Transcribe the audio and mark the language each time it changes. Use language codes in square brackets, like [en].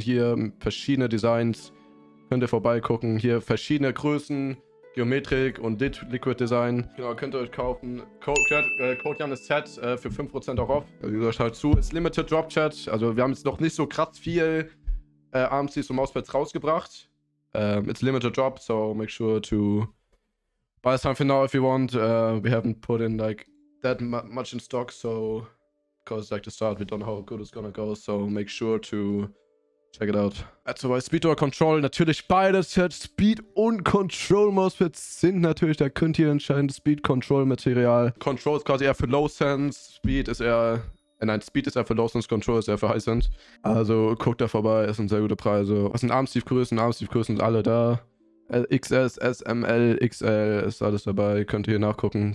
[de] Hier verschiedene Designs, könnt ihr vorbeigucken, hier verschiedene Größen, Geometrik und Liquid Design. Genau, könnt ihr euch kaufen. Code Janis Chat für 5% auch auf. Wie gesagt, halt zu, ist Limited Drop Chat, also wir haben jetzt noch nicht so krass viel Armsleeves und Mousepads rausgebracht. [en] It's limited drop, so make sure to buy something now if you want. We haven't put in like that much in stock, so because like the start, we don't know how good it's gonna go, so make sure to check it out. [de] Also bei Speed or Control natürlich beides. Speed und Control Mousepads sind natürlich, da könnt ihr entscheiden, Speed Control Material. Control ist quasi eher für Low Sense, Speed ist eher. Nein, Speed ist ja für Lawson's Control, ist ja für High Sense. Also guckt da vorbei, es sind sehr gute Preise. Was sind Armsleeve-Größen? Armsleeve-Größen sind alle da. XS, SML, XL ist alles dabei. Könnt ihr hier nachgucken.